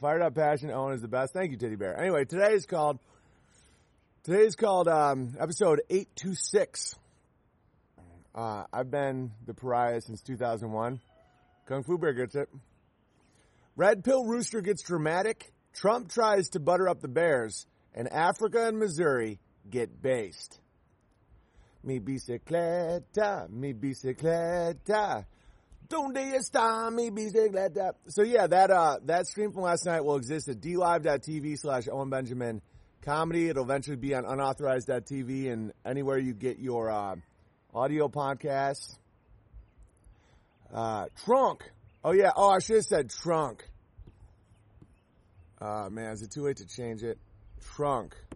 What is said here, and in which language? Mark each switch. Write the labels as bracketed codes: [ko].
[en] Fired Up Passion Owen is the best. Thank you, Teddy Bear. Anyway, today is called episode 826. I've been the pariah since 2001. Kung Fu Bear gets it. Red Pill Rooster gets dramatic. Trump tries to butter up the bears, and Africa and Missouri get based. [es] Mi bicicleta, mi bicicleta. Donde está mi bicicleta? [en] So yeah, that stream from last night will exist at dlive.tv/OwenBenjaminComedy. It'll eventually be on unauthorized.tv and anywhere you get your audio podcasts. Trunk. Oh yeah, oh, I should have said trunk. Man, is it too late to change it? Trunk.